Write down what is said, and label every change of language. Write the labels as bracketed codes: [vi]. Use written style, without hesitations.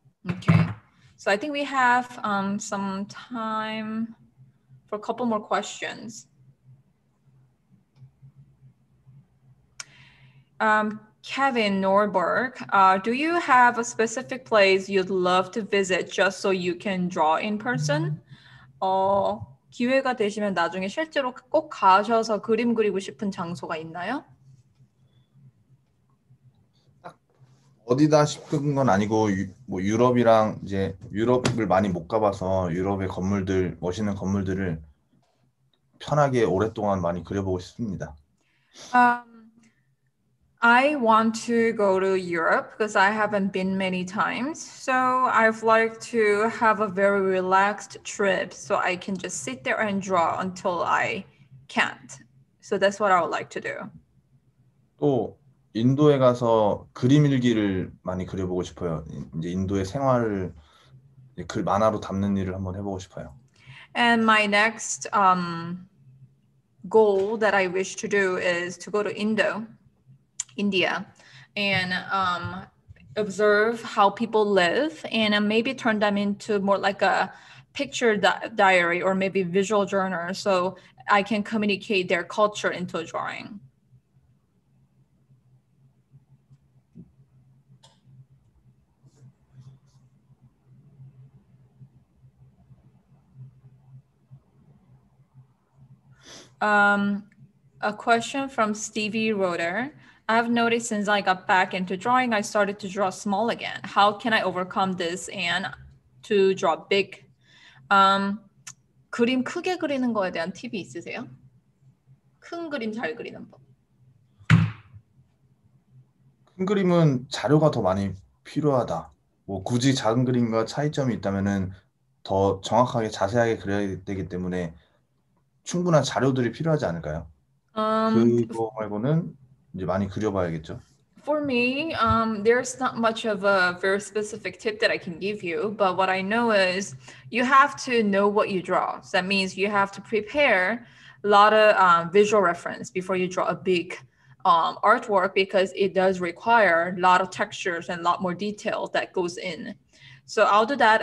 [en] Okay, so I think we have some time for a couple more questions. Kevin Norberg, do you have a specific place you'd love to visit just so you can draw in person? [ko] 기회가 되시면 나중에 실제로 꼭 가셔서 그림 그리고 싶은 장소가 있나요? 어디다 싶은 건 아니고 뭐 유럽이랑 이제 유럽을 많이 못 가봐서 유럽의 건물들 멋있는 건물들을 편하게 오랫동안 많이 그려보고 싶습니다. [en] I want to go to Europe because I haven't been many times. So I'd like to have a very relaxed trip so I can just sit there and draw until I can't. So that's what I would like to do. [ko] 또 인도에 가서 그림 일기를 많이 그려보고 싶어요. 이제 인도의 생활을 글 만화로 담는 일을 한번 해보고 싶어요. [en] And my next goal that I wish to do is to go to India, and observe how people live, and maybe turn them into more like a picture diary or maybe visual journal, so I can communicate their culture into a drawing. A question from Stevie Roder. I've noticed since I got back into drawing, I started to draw small again. How can I overcome this and to draw big? [ko] 그림 크게 그리는 거에 대한 팁이 있으세요? 큰 그림 잘 그리는 법. 큰 그림은 자료가 더 많이 필요하다. 뭐 굳이 작은 그림과 차이점이 있다면은 더 정확하게 자세하게 그려야 되기 때문에 충분한 자료들이 필요하지 않을까요? 그거 말고는 이제 많이 그려봐야겠죠. [en] For me, there's not much of a very specific tip that I can give you, but what I know is you have to know what you draw. So that means you have to prepare a lot of visual reference before you draw a big artwork because it does require a lot of textures and a lot more detail that goes in. So I'll do that.